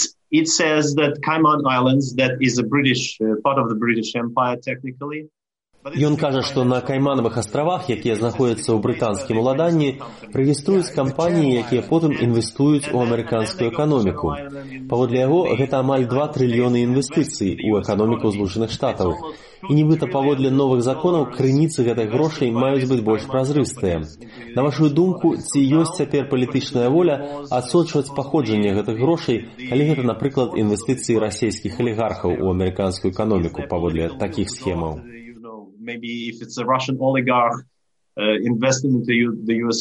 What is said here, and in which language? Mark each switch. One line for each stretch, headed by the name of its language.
English: It says that Cayman Islands, that is a British part of the British Empire technically.
Belarusian: Ён кажа, што на Кайманавых астравах, якія знаходзяцца ў брытанскім уладанні, рэгіструюць кампаніі, якія потым інвестуюць у амерыканскую эканоміку. Паводле яго, гэта амаль 2 трыльёны інвестыцый у эканоміку Злучаных Штатаў. І нібыта паводле новых законаў крыніцы гэтых грошай маюць быць больш празрыстыя. На вашую думку, ці ёсць цяпер палітычная воля адсочваць паходжанне гэтых грошай, калі гэта, напрыклад, інвестыцыі расійскіх олігархаў у амерыканскую эканоміку паводле такіх схемаў?
English: Maybe if it's a Russian oligarch investing into the U.S.